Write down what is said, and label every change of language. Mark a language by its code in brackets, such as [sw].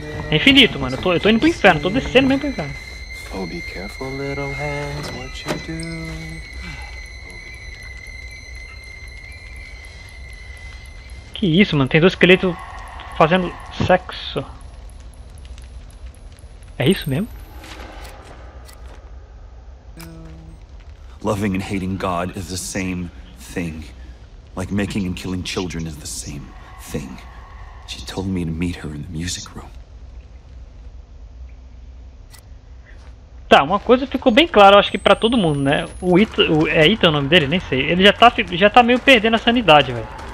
[pt] É infinito, mano. Eu tô indo pro inferno. Tô descendo mesmo pro inferno. [en] Oh, be careful, little hands, what you do. [pt] Que isso, mano? Tem dois esqueletos fazendo sexo. É isso mesmo? [en] Loving and hating God is the same thing. Like making and killing children is the same thing. She told me to meet her in the music room. [pt] Tá, uma coisa ficou bem clara, eu acho que pra todo mundo, né? O Ethan, é Ethan o nome dele? Nem sei. Ele já tá meio perdendo a sanidade, velho.